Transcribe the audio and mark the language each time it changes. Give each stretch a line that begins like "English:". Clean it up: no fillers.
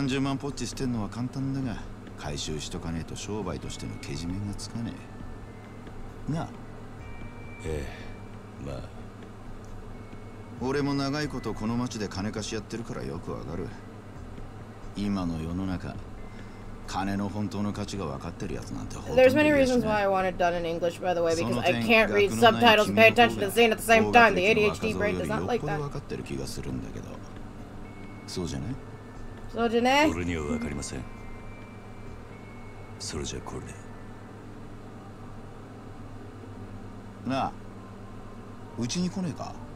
Japanese: 30万ポッチ捨てるのは簡単だが、回収しとかねえと商売としてのけじめがつかねえ。なあ。ええ、まあ。俺も長いことこの町で金貸しやってるからよくわかる。今の世の中、金の本当の価値が分かってるやつなんてほとんどいない。
English: There's many reasons why I want it done in English, by the way, because I can't read subtitles and pay attention to the scene at the same time. The ADHD brain does not like that.
Japanese: 分かってる気がするんだけど。そうじゃね？そうじゃね？俺には分かりません。それじゃこれで。なあ、うちに来ねえか？